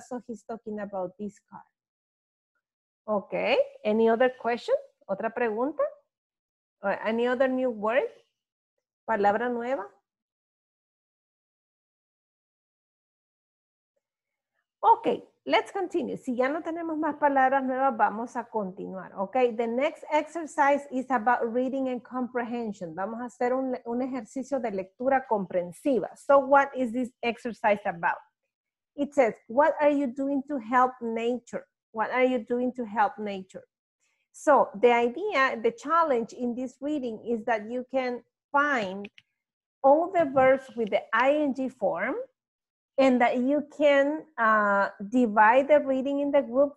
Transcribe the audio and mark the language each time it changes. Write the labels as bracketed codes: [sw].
[en] So he's talking about this car. Okay. Any other question? [es] ¿Otra pregunta? [en] Or any other new word? [es] ¿Palabra nueva? [en] Okay. Let's continue. [es] Si ya no tenemos más palabras nuevas, vamos a continuar. [en] Okay, the next exercise is about reading and comprehension. [es] Vamos a hacer un ejercicio de lectura comprensiva. [en] So what is this exercise about? It says, what are you doing to help nature? What are you doing to help nature? So the idea, the challenge in this reading is that you can find all the verbs with the ing form, and that you can divide the reading in the group.